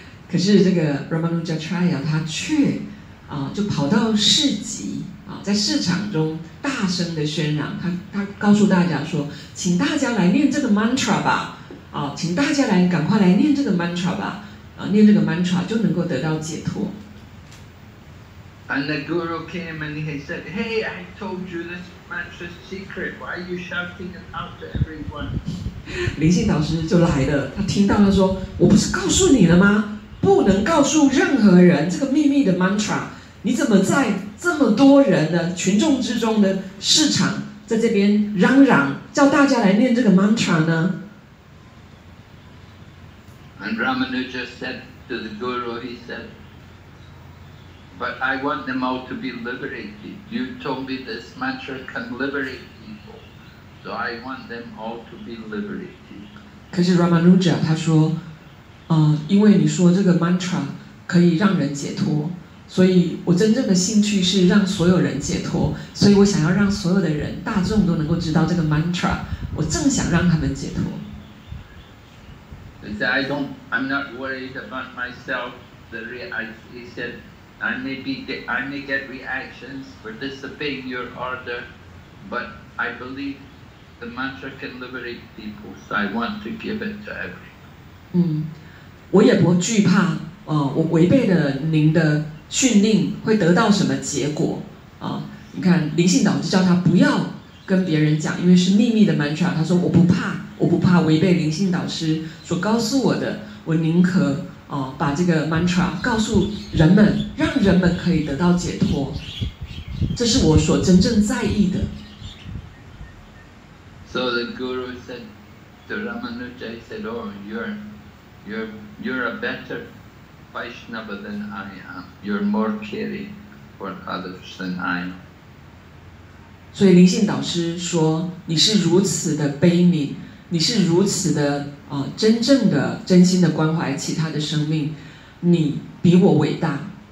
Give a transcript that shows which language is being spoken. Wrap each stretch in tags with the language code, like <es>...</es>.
<zh>可是这个 Ramanujacharya 他却就跑到市集在市场中大声的喧嚷，他告诉大家说，请大家来念这个 mantra 吧请大家来赶快来念这个 mantra 吧念这个 mantra 就能够得到解脱。</zh> <en>And the guru came and he said, Hey, I told you this mantra's secret, why are you shouting it out to everyone?</en> <zh>灵性导师就来了，他听到了说，我不是告诉你了吗，不能告诉任何人这个秘密的 mantra, 你怎么在这么多人的群众之中的市场在这边嚷嚷叫大家来念这个 mantra 呢？</zh> <en>And Ramanuja said to the guru, he said, but I want them all to be liberated. You told me this mantra can liberate you. people. So I want them all to be liberated.</en> <zh>可是 Ramanuja 他说，因为你说这个 mantra 可以让人解脱，所以我真正的兴趣是让所有人解脱，所以我想要让所有的人大众都能够知道这个 mantra， 我正想让他们解脱。</zh> <en>He said, I'm not worried about myself. He said, I may get reactions for disobeying your order, but I believe the mantra can liberate people, so I want to give it to everyone.</en> <zh>我也不惧怕，我违背了您的训令会得到什么结果，你看，灵性导师叫他不要跟别人讲，因为是秘密的 mantra。他说我不怕，我不怕违背灵性导师所告诉我的，我宁可把这个 mantra 告诉人们，让人们可以得到解脱。这是我所真正在意的。</zh> <en>So the guru said, the Ramanuja said, oh, you're a better Vaishnava than I am. You're more caring for others than I am.</en> <zh>所以灵性导师说，你是如此的悲悯，你是如此的真正的真心的关怀其他的生命，你比我伟大。</zh>